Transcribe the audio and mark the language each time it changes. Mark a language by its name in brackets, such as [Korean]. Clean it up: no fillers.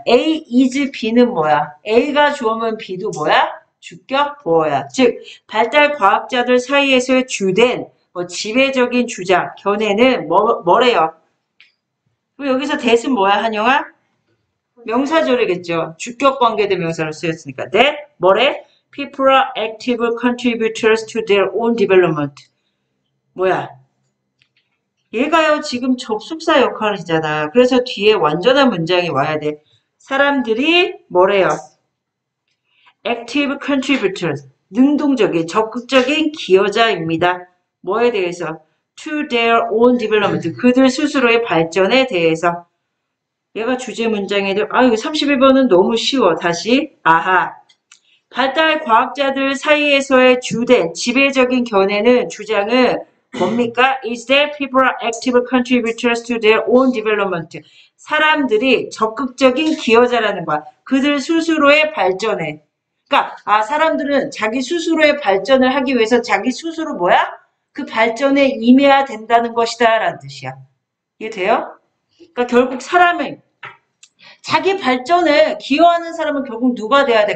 [Korean] A is B는 뭐야? A가 주어면 B도 뭐야? 주격 보어야. 즉, 발달 과학자들 사이에서의 주된, 뭐, 지배적인 주장, 견해는 뭐래요? 그럼 여기서 that은 뭐야, 한영아? 명사절이겠죠. 주격 관계된 명사를 쓰였으니까. That, 뭐래? [English] People are active contributors to their own development. [Korean] 뭐야? 얘가요, 지금 접속사 역할이잖아. 그래서 뒤에 완전한 문장이 와야 돼. 사람들이 뭐래요? [English] Active contributors. [Korean] 능동적인, 적극적인 기여자입니다. 뭐에 대해서? [English] To their own development. [Korean] 그들 스스로의 발전에 대해서. 얘가 주제 문장에도, 아, 이거 31번은 너무 쉬워. 다시. 아하. 발달 과학자들 사이에서의 주된, 지배적인 견해는, 주장은 뭡니까? [English] Is that people are active contributors to their own development. [Korean] 사람들이 적극적인 기여자라는 거야. 그들 스스로의 발전에. 그러니까, 아, 사람들은 자기 스스로의 발전을 하기 위해서 자기 스스로 뭐야? 그 발전에 임해야 된다는 것이다. 라는 뜻이야. 이해 돼요? 그러니까 결국 사람은, 자기 발전에 기여하는 사람은 결국 누가 돼야 돼?